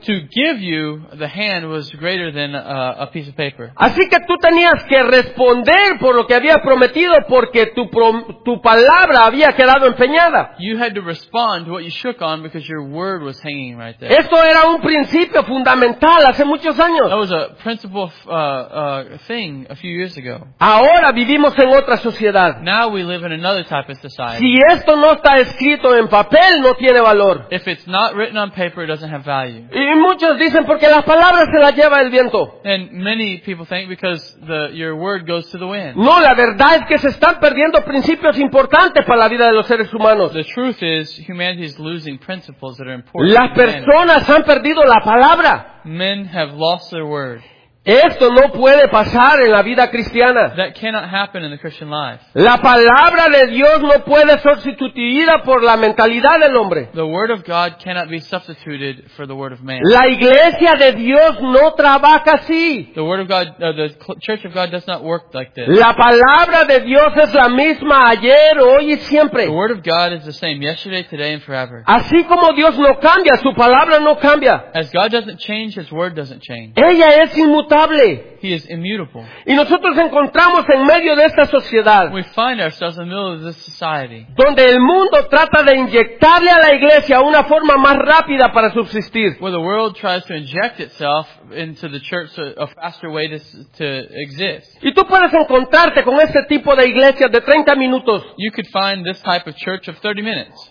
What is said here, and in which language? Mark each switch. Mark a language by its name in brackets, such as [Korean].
[English] To give you the hand was greater than a piece of paper. [Spanish] Así que tú tenías que responder por lo que habías prometido porque tu palabra había quedado empeñada. [English] You had to respond to what you shook on because your word was hanging right there. [Spanish] Esto era un principio fundamental hace muchos años. [English] That was a principal thing a few years ago. [Spanish] Ahora vivimos en otra sociedad. [English] Now we live in another type of society. [Spanish] Si esto no está escrito en papel, no tiene valor. [English] If it's not written on paper, it doesn't have value. [Spanish] Y muchos dicen porque las palabras se las lleva el viento. [English] And many people think because your word goes to the wind. [Spanish] No, la verdad es que se están perdiendo principios importantes para la vida de los seres humanos. [English] The truth is, humanity is losing principles that are important. [Spanish] Las personas han perdido la palabra. [English] Men have lost their word. [Spanish] Esto no puede pasar en la vida cristiana. [English] That cannot happen in the Christian life. [Spanish] La palabra de Dios no puede ser sustituida por la mentalidad del hombre. [English] The word of God cannot be substituted for the word of man. [Spanish] La iglesia de Dios no trabaja así. [English] The word of God, the church of God does not work like this. [Spanish] La palabra de Dios es la misma ayer, hoy y siempre. [English] The word of God is the same yesterday, today and forever. [Spanish] Así como Dios no cambia, su palabra no cambia. [English] As God doesn't change, his word doesn't change. [Spanish] Ella es inmutable. [English] He is immutable. [Spanish] Y nosotros encontramos en medio de esta sociedad, [English] we find ourselves in the middle of this society, [Spanish] donde el mundo trata de inyectarle a la iglesia una forma más rápida para subsistir. [English] Where the world tries to inject itself into the church a faster way to exist. [Spanish] Y tú puedes encontrarte con este tipo de iglesia de 30 minutos. [English] You could find this type of church of 30 minutes.